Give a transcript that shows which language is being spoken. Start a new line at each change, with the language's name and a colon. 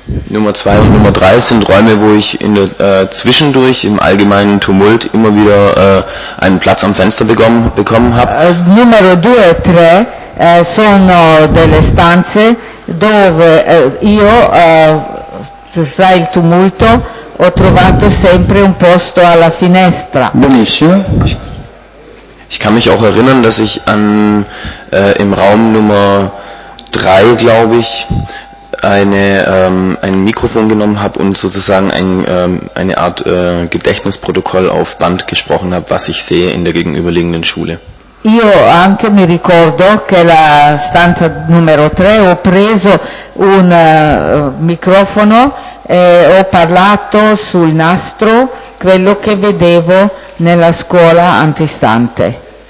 German: Nummer 2 und Nummer 3 sind Räume, wo ich in der zwischendurch im allgemeinen Tumult immer wieder einen Platz am Fenster bekommen habe.
Italian: Numero 2 e 3 sono delle stanze dove io fra il tumulto ho trovato sempre un posto alla finestra. Benissimo.
German: Ich kann mich auch erinnern, dass ich im Raum Nummer 3, glaube ich, ein Mikrofon genommen habe und sozusagen eine Art Gedächtnisprotokoll auf Band gesprochen habe, was ich sehe in der gegenüberliegenden Schule.
Italian: Io anche mi ricordo che la stanza numero 3 ho preso un microfono e ho parlato sul nastro quello che vedevo nella scuola antistante.